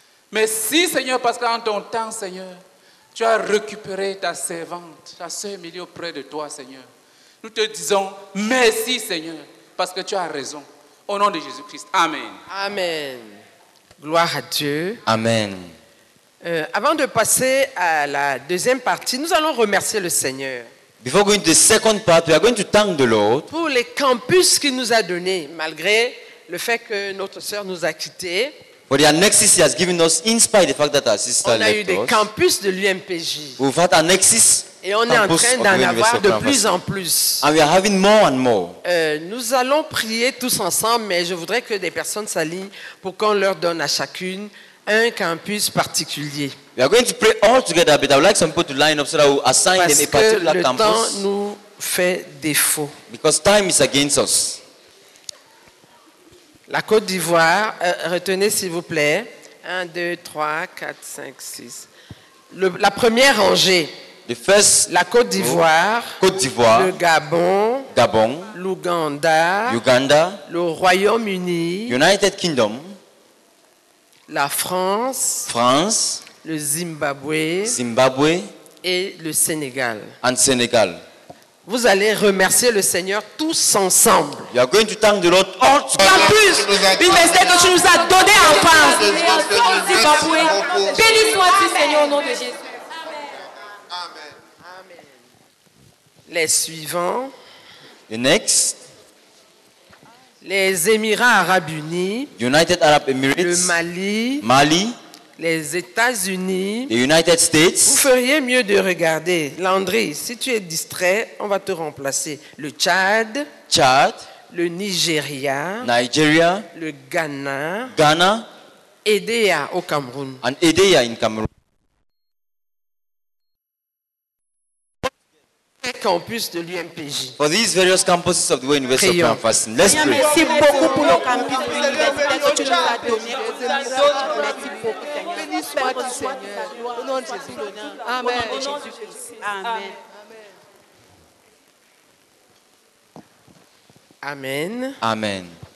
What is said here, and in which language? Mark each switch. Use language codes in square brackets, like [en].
[fr] Merci, Seigneur, parce qu'en ton temps, Seigneur, tu as récupéré ta servante, ta sœur Emilie auprès de toi, Seigneur. Nous te disons merci, Seigneur, parce que tu as raison. Au nom de Jésus-Christ. Amen. Amen. Gloire à Dieu. Amen. Avant de passer à la deuxième partie, nous allons remercier le Seigneur. [en] Before going to the second part, we are going to thank the Lord. [fr] Pour les campus qu'il nous a donnés, malgré le fait que notre sœur nous a quittés. [en] For the annexes he has given us, in spite of the fact that our sister left us. [fr] On a eu des campus de l'UMPJ. [en] We've had annexes. [fr] Et on est en train d'en avoir de plus en plus. [en] And we are having more and more. [fr] Nous allons prier tous ensemble, mais je voudrais que des personnes s'alignent pour qu'on leur donne à chacune un campus particulier. [en] We are going to pray all together, but I would like some people to line up so that we assign them a particular campus. [fr] Parce que le temps nous fait défaut. [en] Because time is against us. [fr] La Côte d'Ivoire, retenez s'il vous plaît. 1, 2, 3, 4, 5, 6. La première rangée. [en] The first, [fr] la Côte d'Ivoire, [en] Côte d'Ivoire, [fr] le Gabon, [en] Gabon, [fr] l'Ouganda, [en] Uganda, [fr] le Royaume-Uni, [en] United Kingdom, [fr] la France, [en] France, [fr] le Zimbabwe, [en] Zimbabwe, [fr] et le Sénégal. [en] And Senegal. [fr] Vous allez remercier le Seigneur tous ensemble. [en] You are going to thank the Lord all together. [fr] Campus, l'université que tu nous as donné en France. Zimbabwe, béni sois-tu, Seigneur, au nom de Jésus. Les suivants. [en] The next. [fr] Les Émirats Arabes Unis. [en] United Arab Emirates. [fr] Le Mali. [en] Mali. [fr] Les États-Unis. [en] The United States. [fr] Vous feriez mieux de regarder. Landry, si tu es distrait, on va te remplacer. Le Tchad. [en] Tchad. [fr] Le Nigeria. [en] Nigeria. [fr] Le Ghana. [en] Ghana. [fr] Edea au Cameroun. [en] And Edea in Cameroon. [fr] Campus de l'UMPJ. [en] For these various campuses of the University of Pamfasin, let's pray. [fr] Merci beaucoup pour le campus de l'université que tu nous as donné. Merci beaucoup. Béni sois-tu, Seigneur. Au nom de Jésus. Amen. Au nom de Jésus. Amen. Amen. Amen.